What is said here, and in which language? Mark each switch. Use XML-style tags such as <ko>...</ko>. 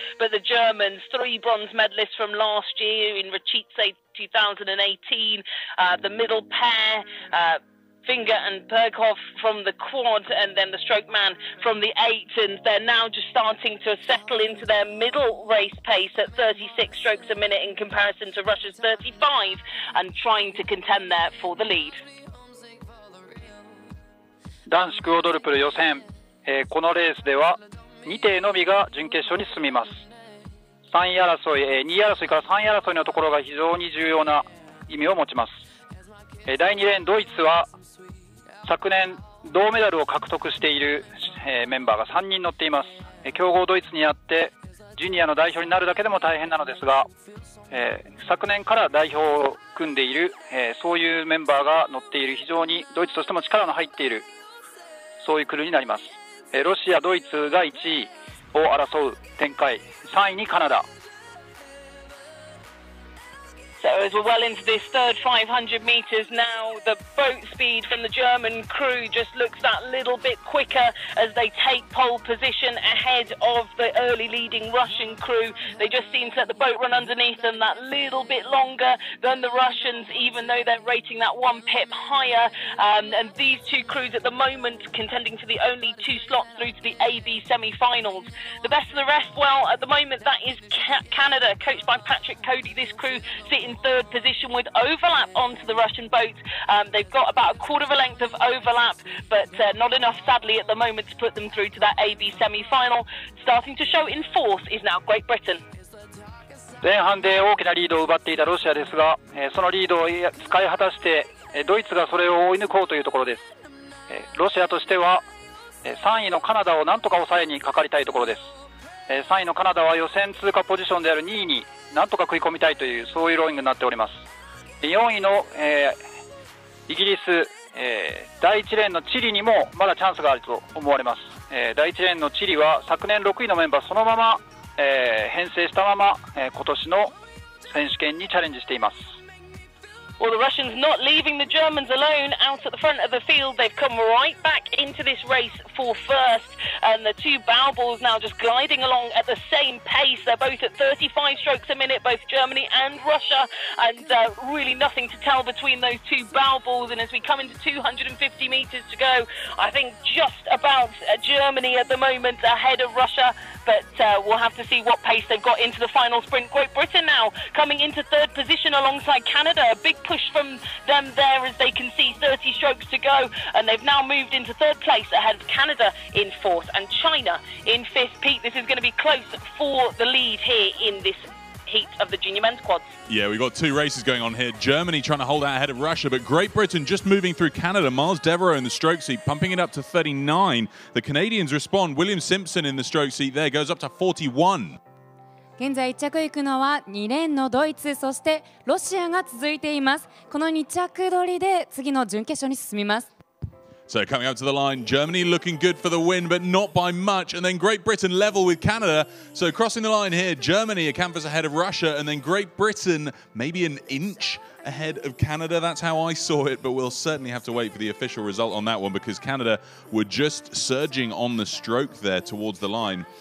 <en>But the Germans, three bronze medalists from last year in Rachice, 2018, the middle pair, Finger and Perkov from the quad, and then the stroke man from the eight, and they're now just starting to settle into their middle race pace at 36 strokes a minute in comparison to Russia's 35, and trying to contend there for the lead.</en> <ja>男子クォドルプル予選、このレースでは2艇のみが準決勝に進みます。 3位争い、2位争いから3位争いのところが非常に重要な意味を持ちます。第2レーン、ドイツは昨年銅メダルを獲得しているメンバーが3人乗っています。強豪ドイツにあってジュニアの代表になるだけでも大変なのですが、昨年から代表を組んでいる、そういうメンバーが乗っている非常にドイツとしても力の入っているそういうクルーになります。ロシア、ドイツが1位を争う展開、3位にカナダ。</ja> <en>So as we're well into this third 500 meters now, the boat speed from the German crew just looks that little bit quicker as they take pole position ahead of the early leading Russian crew. They just seem to let the boat run underneath them that little bit longer than the Russians, even though they're rating that one pip higher. And these two crews at the moment contending for the only two slots through to the AB semi-finals. The best of the rest, well, at the moment, that is Canada, coached by Patrick Cody. This crew sitting third position with overlap onto the Russian boat. They've got about a quarter of a length of overlap, but not enough, sadly, at the moment to put them through to that AB semi-final. Starting to show in fourth is now Great Britain.</en> <ja>前半で大きなリードを奪っていたロシアですが、そのリードを使い果たして、ドイツがそれを追い抜こうというところです。ロシアとしては、3位のカナダをなんとか抑えにかかりたいところです。 3位のカナダは予選通過ポジションである2位になんとか食い込みたいというそういうローイングになっております。 4位の、イギリス、第1レーンのチリにもまだチャンスがあると思われます。第1レーンのチリは昨年6位のメンバーそのまま、編成したまま、今年の選手権にチャレンジしています。</ja> <en>Well, the Russians not leaving the Germans alone out at the front of the field. They've come right back into this race for first. And the two Baubles now just gliding along at the same pace. They're both at 35 strokes a minute, both Germany and Russia. And really nothing to tell between those two Baubles. And as we come into 250 meters to go, I think just about Germany at the moment ahead of Russia. But we'll have to see what pace they've got into the final sprint. Great Britain now coming into third position alongside Canada. A big push from them there as they can see 30 strokes to go. And they've now moved into third place ahead of Canada in fourth and China in fifth. Pete, this is going to be close for the lead here in this heat of the junior men's quads. Yeah, we've got two races going on here. Germany trying to hold out ahead of Russia, but Great Britain just moving through Canada. Miles Devereux in the stroke seat, pumping it up to 39. The Canadians respond. William Simpson in the stroke seat there goes up to 41.</en> <ja>現在1着行くのは2レーンのドイツ、そしてロシアが続いています。この2着取りで次の準決勝に進みます。</ja> <en>So coming up to the line, Germany looking good for the win, but not by much. And then Great Britain level with Canada. So crossing the line here, Germany a canvas ahead of Russia, and then Great Britain maybe an inch ahead of Canada. That's how I saw it, but we'll certainly have to wait for the official result on that one because Canada were just surging on the stroke there towards the line.</en>